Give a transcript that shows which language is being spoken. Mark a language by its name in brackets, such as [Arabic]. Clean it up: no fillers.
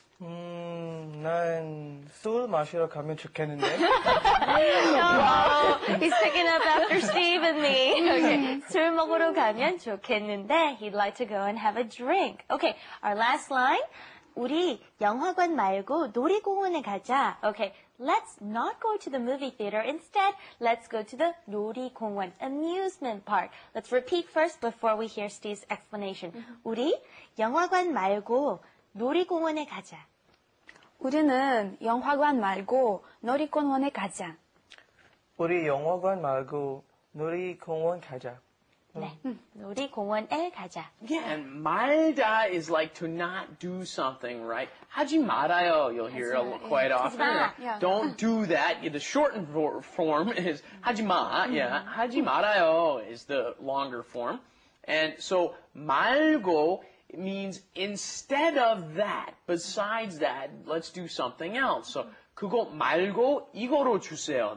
[Korean] 난 술 마시러 가면 좋겠는데. [English] He's picking up after Steve and me. Okay. [Korean] 술 먹으러 가면 좋겠는데. [English] He'd like to go and have a drink. Okay, our last line. [Korean] 우리 영화관 말고 놀이공원에 가자. [English] Okay, let's not go to the movie theater. Instead, let's go to the 놀이공원, amusement park. Let's repeat first before we hear Steve's explanation. Mm-hmm. [Korean] 우리 영화관 말고 놀이공원에 가자. 우리는 영화관 말고 놀이공원에 가자. 우리 영화관 말고 놀이공원 가자. 네, 놀이공원에 가자. [English] Yeah, and 말다 is like to not do something, right? [Korean] 하지 말아요, [English] you'll hear quite often. Yeah. Don't do that. The shortened form is [Korean] 하지 마, [English] yeah. [Korean] 하지 말아요 [English] is the longer form. And so 말고 means instead of that, besides that, let's do something else. [Korean] So 그거 말고 이거로 주세요.